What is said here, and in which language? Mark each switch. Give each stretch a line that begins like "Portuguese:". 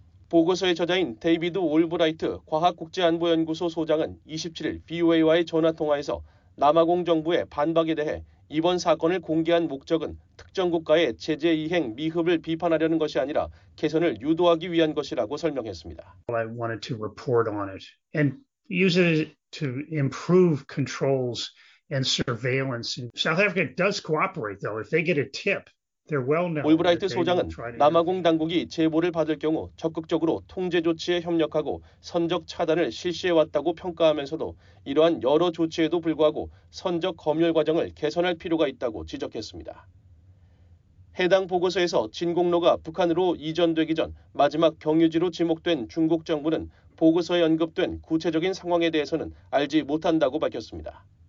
Korean: 보고서의 저자인 데이비드 올브라이트 과학국제안보연구소 소장은 27일 BOA와의 전화통화에서 남아공 정부의 반박에 대해 이번 사건을 공개한 목적은 특정 국가의 제재 이행 미흡을 비판하려는 것이 아니라 개선을 유도하기 위한 것이라고 설명했습니다.
English: I wanted to report on it and use it to improve controls and surveillance. South Africa does cooperate though. If they get a tip, they're well known.
Korean: 올브라이트 소장은 남아공 당국이 제보를 받을 경우 적극적으로 통제 조치에 협력하고 선적 차단을 실시해 왔다고 평가하면서도 이러한 여러 조치에도 불구하고 선적 검열 과정을 개선할 필요가 있다고 지적했습니다. 해당 보고서에서 진공로가 북한으로 이전되기 전 마지막 경유지로 지목된 중국 정부는 보고서에 언급된 구체적인 상황에 대해서는 알지 못한다고 밝혔습니다.